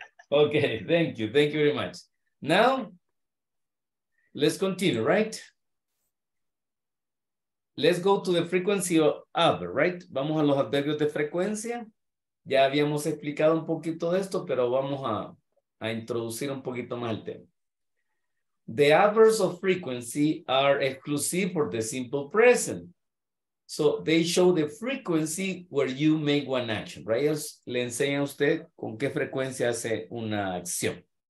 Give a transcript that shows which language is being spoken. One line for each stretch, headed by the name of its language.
English: Ok, thank you very much. Now, let's continue, right? Let's go to the frequency of, right?
Spanish: Vamos a los adverbios de frecuencia. Ya habíamos explicado un poquito de esto, pero vamos a introducir un poquito más el tema.
English: The adverbs of frequency are exclusive for the simple present. So, they show the frequency where you make one action, right?
Spanish: Ellos le enseñan a usted con qué frecuencia hace una acción.